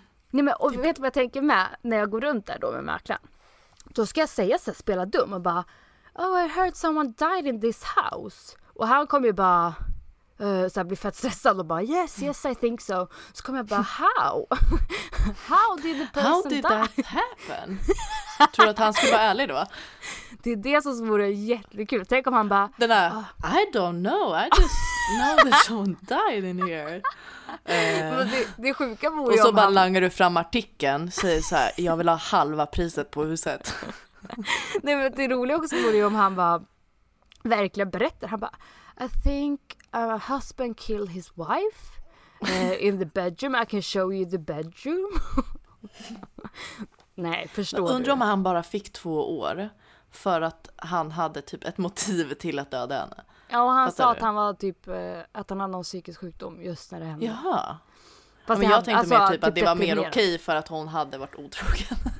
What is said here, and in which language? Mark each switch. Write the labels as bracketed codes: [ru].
[sv] Nej, men, och vet du vad jag tänker med när jag går runt där då med mäklaren? Då ska jag säga så här, spela dum och bara, [en] oh, I heard someone died in this house. [sv] Och han kommer ju bara så här, bli fett stressad och bara, [en] yes, yes, I think so. [sv] Så kommer jag bara, [en] how? How did the person How did That happen? [sv] Jag tror att han skulle vara ärlig då? Det är det som vore jättekul. Tänk om han bara, den där, oh. [en] I don't know, I just know that someone died in here. [sv] Det sjuka vore ju om han... Och så bara langar du fram artikeln, säger så här, jag vill ha halva priset på huset. Nej, men det roliga också vore ju om han bara verkligen berättar. Han bara, [en] I think a husband killed his wife. In the bedroom, I can show you the bedroom. [sv] Nej, förstår du. Undrar om han bara fick 2 år för att han hade typ ett motiv till att döda henne. Ja, och han sa att han var typ att han hade någon psykisk sjukdom just när det hände. Jaha. Fast men jag tänkte alltså, mer typ att det var mer okej för att hon hade varit otrogen.